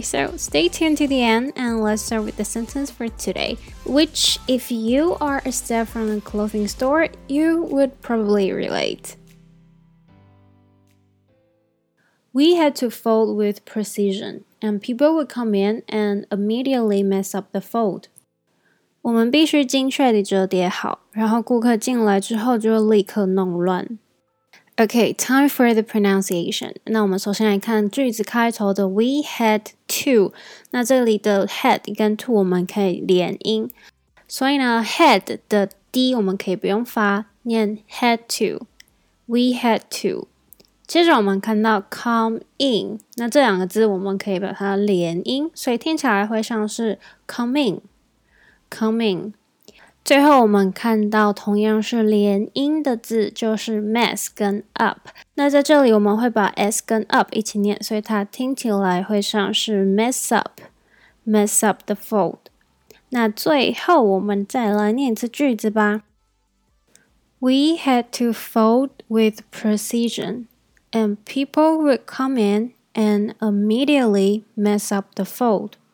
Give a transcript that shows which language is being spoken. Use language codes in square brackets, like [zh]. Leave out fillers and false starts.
[en] So stay tuned to the end and let's start with the sentence for today, which if you are a staff from a clothing store, you would probably relate. We had to fold with precision, and people would come in and immediately mess up the fold. [zh] 我们必须精确地折叠好，然后顾客进来之后就立刻弄乱。 [en] Okay, time for the pronunciation. [zh] 那我们首先来看句子开头的 [en] we had to. [zh] 那这里的 had 跟 to 我们可以连音，所以呢 had 的 d 我们可以不用发，念 had to. [en] We had to. [zh] 接着我们看到 come in， 那这两个字我们可以把它连音，所以听起来会像是 come in， come in。最后我们看到同样是连音的字就是 mess 跟 up， 那在这里我们会把 s 跟 up 一起念，所以它听起来会像是 mess up， [en] mess up the fold。 [zh] 那最后我们再来念一次句子吧。 [en] We had to fold with precision. And people would come in and immediately mess up the fold.